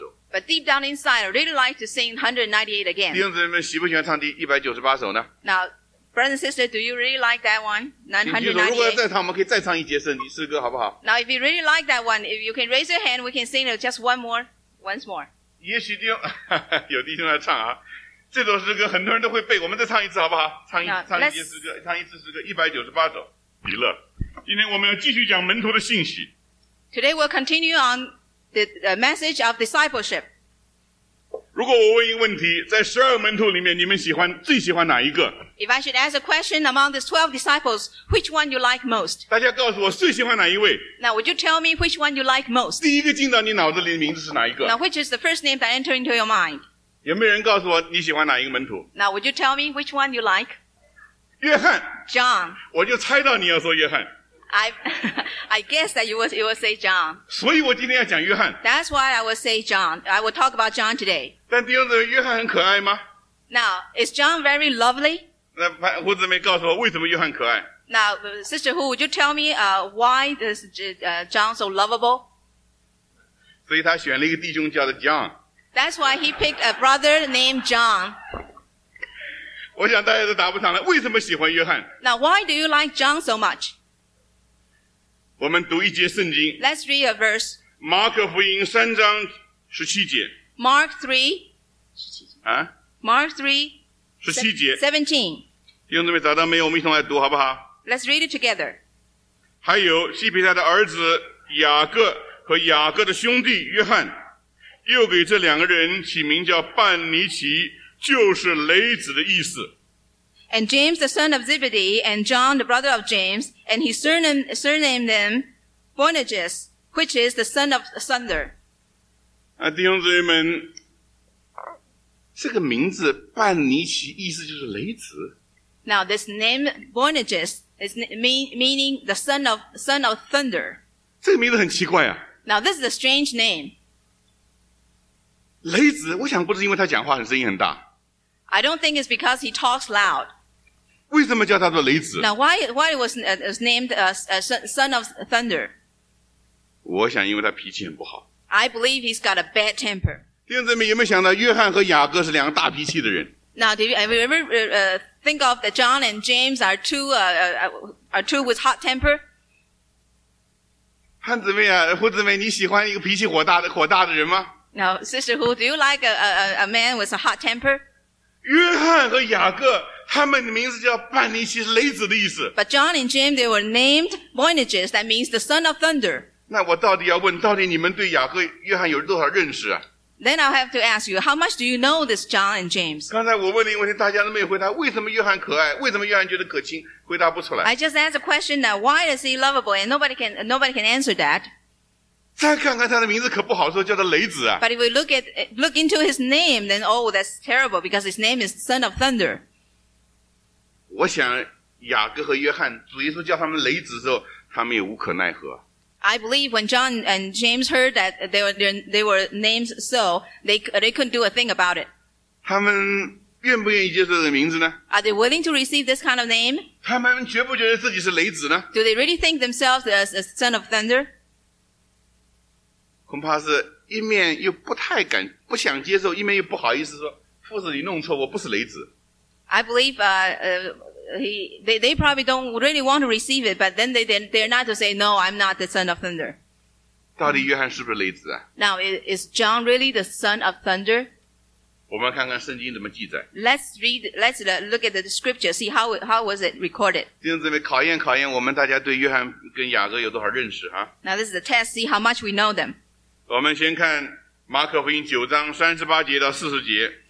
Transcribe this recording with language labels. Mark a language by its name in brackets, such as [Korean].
[English] But deep down inside, I really like to sing 198 again. Now, brother and sister, do you really like that one? 198? Now, if you really like that one, if you can raise your hand, we can sing it just once more. [Chinese] 也许弟兄, 有弟兄来唱啊, 这首诗歌, 很多人都会背, 我们再唱一次好不好? [English] Today, we'll continue on the message of discipleship. [Chinese] 如果我问一个问题, 在12门徒里面, 你们喜欢, 最喜欢哪一个? [English] If I should ask a question among the 12 disciples, which one you like most? [Chinese] 大家告诉我, 最喜欢哪一位? [English] Now, would you tell me which one you like most? [Chinese] 第一个进到你脑子里的名字是哪一个? [English] Now, which is the first name that entered into your mind? [Chinese] 有没有人告诉我你喜欢哪一个门徒? [English] Now, would you tell me which one you like? [Chinese] 约翰, [English] John. [Chinese] 我就猜到你要说约翰。 [English] I guess that you will say John. [Chinese] 所以我今天要讲约翰。 [English] That's why I will say John. I will talk about John today. [Chinese] 但弟兄姊妹,约翰很可爱吗? [English] Now, is John very lovely? [Chinese] 那胡姊妹告诉我为什么约翰可爱? [English] Now, Sister Hu, would you tell me why is John so lovable? [Chinese] 所以他选了一个弟兄叫做John. [English] That's why he picked a brother named John. [Chinese] 我想大家都答不上来,为什么喜欢约翰? [English] Now, why do you like John so much? [Chinese] 我们读一节圣经, [English] Let's read a verse. Mark 3:17. Mark 3:17. [Chinese] 弟兄姊妹找到没有,我们一同来读好不好? [English] Let's read it together. [Chinese] 还有西庇太的儿子雅各和雅各的兄弟约翰, 又给这两个人起名叫伴尼奇, 就是雷子的意思。 [English] And James the son of Zebedee, and John the brother of James, and he surnamed them Boanerges, which is the son of thunder. [Chinese] 弟兄姊妹们,这个名字,半尼奇,意思就是雷子。 [English] Now, this name, Boanerges, is meaning the son of thunder. [Chinese] 这个名字很奇怪啊。 [English] Now, this is a strange name. [Chinese] 雷子,我想不是因为他讲话很声音很大。 [English] I don't think it's because he talks loud. [Chinese] 为什么叫他做雷子? [English] Now, why it was named son of thunder? [Chinese] 我想因为他脾气很不好。 [English] I believe he's got a bad temper. [Chinese] 弟兄姊妹有没有想到约翰和雅各是两个大脾气的人? [English] Now, do you ever think of that John and James are two with hot temper? [Chinese] 汉姊妹啊,胡姊妹,你喜欢一个脾气火大的人吗? [English] Now, Sister Hu, do you like a man with a hot temper? [Chinese] 约翰和雅各,他们的名字叫伴尼奇,是雷子的意思。 [English] But John and James, they were named Boanerges, that means the son of thunder. [Chinese] 那我到底要问,到底你们对雅各,约翰有多少认识啊? [English] Then I'll have to ask you, how much do you know this John and James? [Chinese] 刚才我问了一个问题，大家都没有回答，为什么约翰可爱？为什么约翰觉得可亲？回答不出来。 [English] I just asked a question now, why is he lovable? And nobody can answer that. [Chinese] 再看看他的名字可不好说，叫他雷子啊。 [English] But if we look into his name, then oh, that's terrible because his name is Son of Thunder. [Chinese] 我想雅各和约翰，主耶稣叫他们雷子的时候，他们也无可奈何。 [English] I believe when John and James heard that they were named so, they couldn't do a thing about it. [Chinese] 他们愿不愿意接受这个名字呢? [English] Are they willing to receive this kind of name? [Chinese] 他们绝不觉得自己是雷子呢? [English] Do they really think themselves as a son of thunder? [Chinese] 恐怕是一面又不太敢,不想接受,一面又不好意思说,父子你弄错,我不是雷子。 [English] I believe, they probably don't really want to receive it, but then they're not to say, no, I'm not the son of thunder. [Chinese] 到底约翰是不是雷子啊? [English] Now, is John really the son of thunder? [Chinese] 我们看看圣经怎么记载。 [English] Let's look at the scripture, see how was it recorded. [Chinese] 弟兄姊妹，考验考验我们大家对约翰跟雅各有多少认识啊? [English] Now, this is a test, see how much we know them. [Chinese] 我们先看马可福音九章三十八节到四十节。